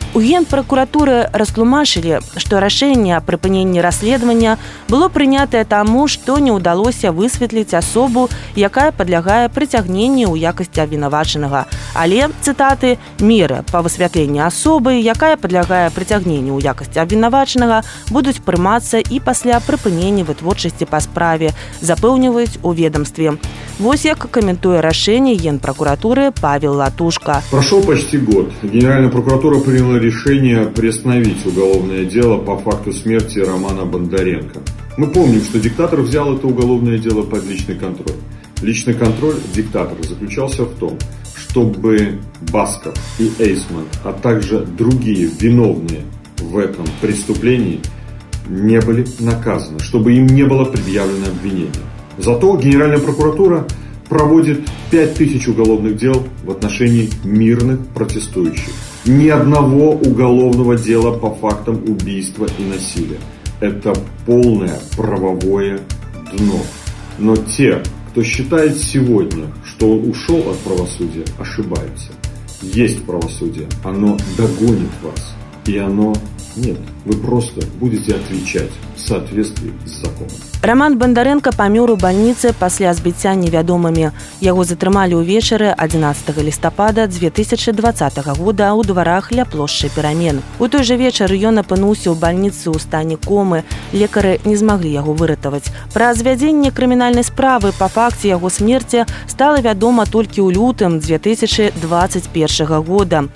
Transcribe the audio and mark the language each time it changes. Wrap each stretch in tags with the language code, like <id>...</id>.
<be>У Генпракуратуры растлумачылі, што рашэнне аб прыпыненні расследавання было прынятае таму, што не ўдалося высветліць асобу, якая падлягае прыцягненні ў якасці абвінавачанага. Але, цытаты, меры па высвятленні асобы, якая падлягае прыцягненню ў якасці абвінавачанага, будуць прымацца і пасля прыпынення вытворчасці па справе, запэўніваюць у ведамстве. Вось як каментуе рашэнне Генпракуратуры Павел Латушка.</be> <ru>Прошёл почти год. Генеральная прокуратура приняла решение приостановить уголовное дело по факту смерти Романа Бондаренко. Мы помним, что диктатор взял это уголовное дело под личный контроль. Личный контроль диктатора заключался в том, чтобы Басков и Эйсман, а также другие виновные в этом преступлении, не были наказаны, чтобы им не было предъявлено обвинение. Зато Генеральная прокуратура проводит 5000 уголовных дел в отношении мирных протестующих. Ни одного уголовного дела по фактам убийства и насилия. Это полное правовое дно. Но те, кто считает сегодня, что он ушел от правосудия, ошибаются. Есть правосудие, оно догонит вас. И оно нет. Вы просто будете отвечать в соответствии с законом.</ru> <be>Роман Бандарэнка памёр у бальніцы пасля збіцця невядомымі. Яго затрымалі ўвечары 11 лістапада 2020 года ў дварах ля плошчы Перамен. У той жа вечар ён апынуўся ў бальніцы ў стане комы. Лекары не змаглі яго выратаваць. Пра звядзенне крымінальнай справы па факце яго смерці стала вядома толькі ў лютым 2021 года.</be>